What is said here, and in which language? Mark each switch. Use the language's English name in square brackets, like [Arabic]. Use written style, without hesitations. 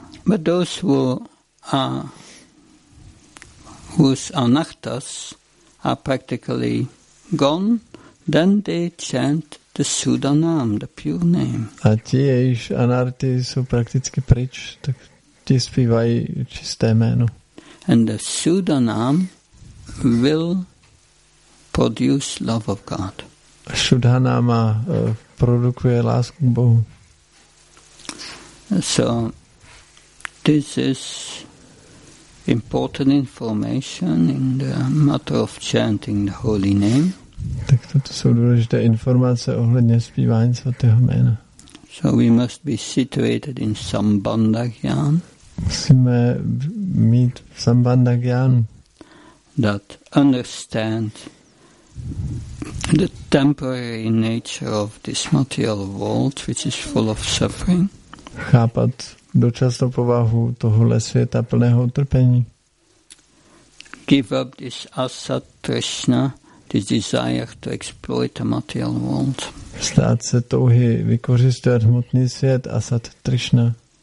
[English] But those whose anartas are practically gone, then they chant the Sudanam, the pure name. [Czech] A ti, jejíž anarty jsou prakticky pryč, tak ti zpívají čisté jméno. [English] And the Sudanam will produce love of God. [Czech] Sudanama produkuje lásku k Bohu. [English] So this is important information in the matter of chanting the holy name. [Czech] Tak toto jsou důležité informace ohledně zpívání svatého jména. [English] So we must be situated in sambandhagyan. [Czech] Musíme mít sambandhagyan. [English] That understand the temporary nature of this material world, which is full of suffering. [Czech] Chápat dočasnou povahu tohohle světa plného utrpení. [English] Give up this asat trishna, this desire to exploit the material world. [Czech] Stát se touhy vykořisťovat hmotný svět, asat trishna.